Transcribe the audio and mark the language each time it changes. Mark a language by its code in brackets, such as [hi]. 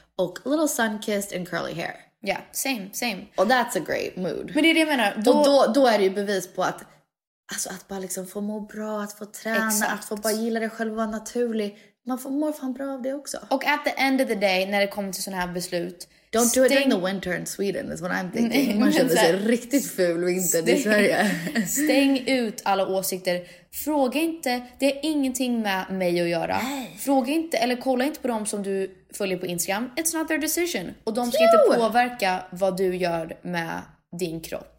[en] Och little sun-kissed and curly hair. Ja, yeah, same. Och that's a great mood. [sv] Men det är det jag menar. Då är det ju bevis på att alltså att bara liksom få må bra, att få träna, exakt, att få bara gilla det själv och vara naturlig. Man får mår fan bra av det också. Och [en] at the end of the day, [sv] när det kommer till sådana här beslut, [en] Don't do it in the winter in Sweden is what I'm thinking. [sv] Man känner sig riktigt ful vinter i Sverige. Stäng ut alla åsikter. Fråga inte, det är ingenting med mig att göra. Fråga inte eller kolla inte på dem som du följer på Instagram. [en] It's not their decision. [sv] Och de ska inte påverka vad du gör med din kropp.